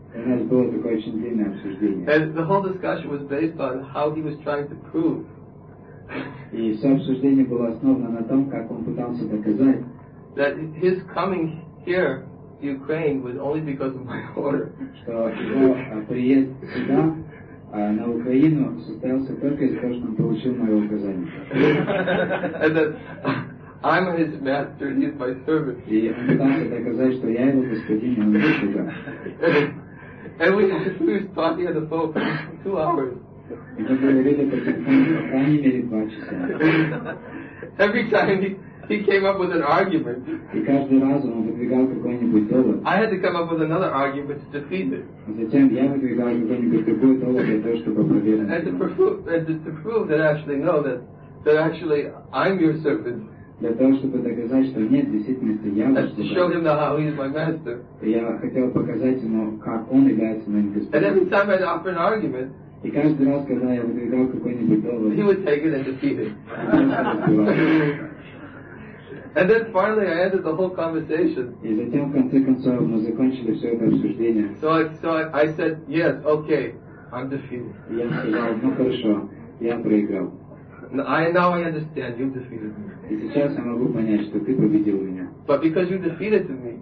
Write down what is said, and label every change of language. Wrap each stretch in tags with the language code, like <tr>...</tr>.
<ru>У нас было такое очень длинное обсуждение.</ru> <en>And the whole discussion was based on how he was trying to prove.</en> <ru>И все обсуждение было основано на том, как он пытался доказать.</ru> <en>That his coming here to Ukraine was only because of my order.</en> <ru>Что его приезд сюда на Украину состоялся только из-за того, что он получил мое указание.</ru> <en>And that I'm his master and he's my servant.</en> <ru>И он пытался доказать, что я его господин, он его слуга.</ru> <en>And we were talking on the phone for 2 hours.</en> <ru>И мы говорили по телефону по крайней мере 2 часа.</ru> <en>Every time he came up with an argument.</en> <ru>И каждый раз он выдвигал какой-нибудь довод.</ru> <en>I had to come up with another argument to defeat it.</en> <ru>Затем я выдвигал какой-нибудь другой довод для того, чтобы опровергнуть.</ru> <en>And to prove that actually no, that actually I'm your servant.</en> <ru>Для того, чтобы доказать, что нет, действительно, это я.</ru> <en>And to show him how he is my master.</en> <ru>Я хотел показать ему, как он является моим господином.</ru> <en>And every time I'd offer an argument.</en> <ru>И каждый раз, когда я выдвигал какой-нибудь довод.</ru> <en>He would take it and defeat it. And then finally, I ended the whole conversation.</en> <ru>И затем в конце концов мы закончили все это обсуждение.</ru> <en>So I said yes, okay, I'm defeated.</en> <ru>Я сказал, ну хорошо, я проиграл.</ru> <en>Now I understand, you defeated me.</en> <ru>И сейчас я могу понять, что ты победил меня.</ru> <en>But because you defeated me.</en>